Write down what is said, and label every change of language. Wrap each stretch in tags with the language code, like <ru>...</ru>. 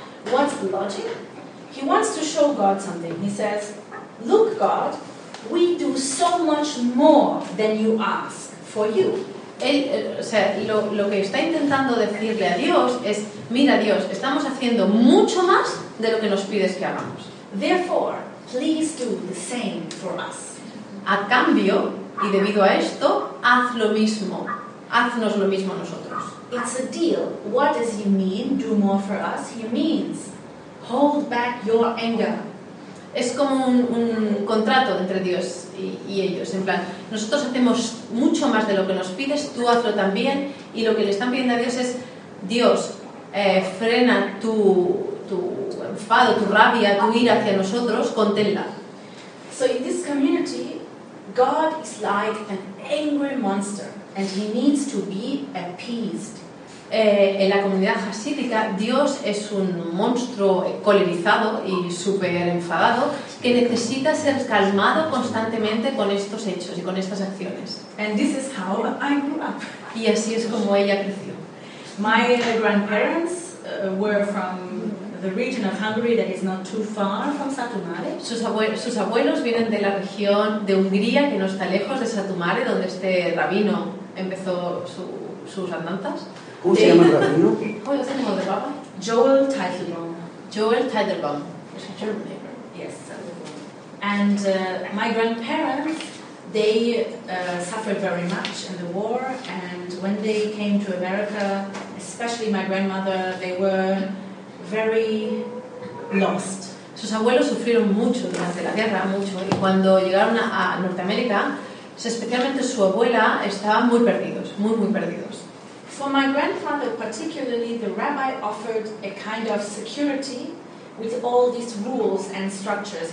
<en>What's the logic? He wants to show God something. He says, look God, we do so much more than you ask for you.</en> <es>Él, o sea, lo que está intentando decirle a Dios es, mira Dios, estamos haciendo mucho más de lo que nos pides que hagamos.</es> <en>Therefore, please do the same for us.</en> <es>A cambio, y debido a esto, haz lo mismo. Haznos lo mismo a nosotros.</es> <en>It's a deal. What does he mean, do more for us? He means, hold back your anger.</en> <es>Es como un contrato entre Dios y ellos. En plan, nosotros hacemos mucho más de lo que nos pides, tú hazlo también. Y lo que le están pidiendo a Dios es, Dios, frena tu enfado, tu rabia, tu ira hacia nosotros, conténla.</es> <en>So in this community, God is like an angry monster and he needs to be appeased.</en> <es>En la comunidad hasídica, Dios es un monstruo colerizado y súper enfadado que necesita ser calmado constantemente con estos hechos y con estas acciones.</es> <en>And this is how I grew up.</en> <es>Y así es como ella creció.</es> <en>My grandparents were from the region of Hungary that is not too far from Satumare.</en> <es>Sus abuelos vienen de la región de Hungría que no está lejos de Satumare, donde este rabino empezó sus andanzas. ¿Cómo se llama el rabino? ¿Cómo se llama el rabino? Joel Teitelbaum. Joel Teitelbaum.</es> <en>Is it your name? Yes. And my grandparents, they suffered very much in the war, and when they came to America, especially my grandmother, they were very lost.</en> <es>Sus abuelos sufrieron mucho durante la guerra, mucho, y cuando llegaron a Norteamérica, especialmente su abuela, estaban muy perdidos, muy, muy perdidos.</es> <en>For my grandfather particularly, the rabbi offered a kind of security with all these rules and structures.</en>